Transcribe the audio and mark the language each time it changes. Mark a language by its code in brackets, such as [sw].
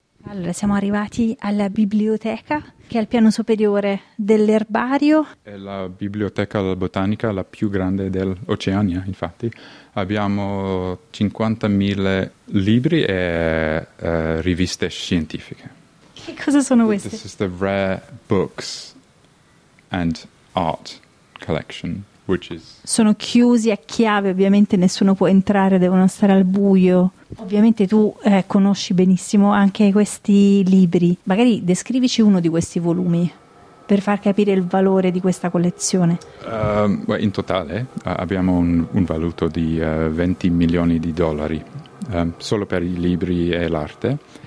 [it] Allora, siamo arrivati alla biblioteca, che è al piano superiore dell'erbario. È la biblioteca botanica la più grande dell'Oceania, infatti. Abbiamo 50.000 libri e riviste scientifiche. Che cosa sono queste? [en] This is the Rare Books and Art Collection. [it] Sono chiusi a chiave, ovviamente nessuno può entrare, devono stare al buio. Ovviamente tu conosci benissimo anche questi libri. Magari descrivici uno di questi volumi per far capire il valore di questa collezione. In totale abbiamo un valuto di 20 milioni di dollari solo per i libri e l'arte.